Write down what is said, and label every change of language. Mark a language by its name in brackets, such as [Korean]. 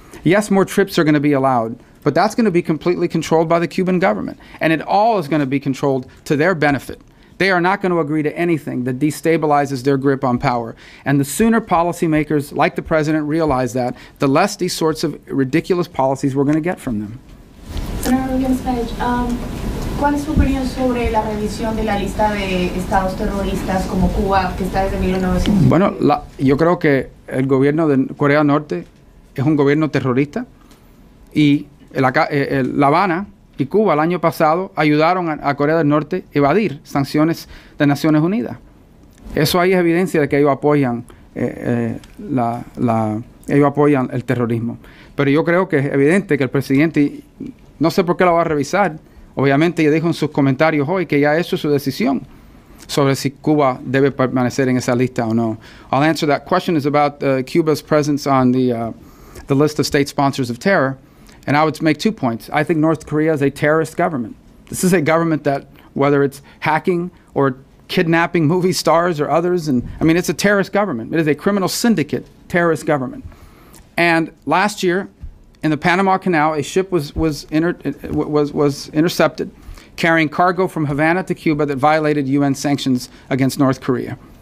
[English] Yes, more trips are going to be allowed, but that's going to be completely controlled by the Cuban government, and it all is going to be controlled to their benefit. They are not going to agree to anything that destabilizes their grip on power. And the sooner policymakers like the president realize that, the less these sorts of ridiculous policies we're going to get from them. [Spanish] Senator Williams, ¿cuál es su opinión sobre la revisión de la lista de estados terroristas como Cuba, que está desde 1990? Bueno, yo creo que el gobierno de Corea del Norte es un gobierno terrorista. Y La Habana y Cuba el año pasado ayudaron a Corea del Norte a evadir sanciones de Naciones Unidas. Eso ahí es evidencia de que ellos apoyan ellos apoyan el terrorismo. Pero yo creo que es evidente que el presidente, no sé por qué lo va a revisar, obviamente ya dijo en sus comentarios hoy que ya eso es su decisión sobre si Cuba debe permanecer en esa lista o no. [English] I'll answer that question. Is about Cuba's presence on the list of state sponsors of terror. And I would make two points. I think North Korea is a terrorist government. This is a government that, whether it's hacking or kidnapping movie stars or others, and I mean, it's a terrorist government. It is a criminal syndicate terrorist government. And last year, in the Panama Canal, a ship was intercepted carrying cargo from Havana to Cuba that violated UN sanctions against North Korea.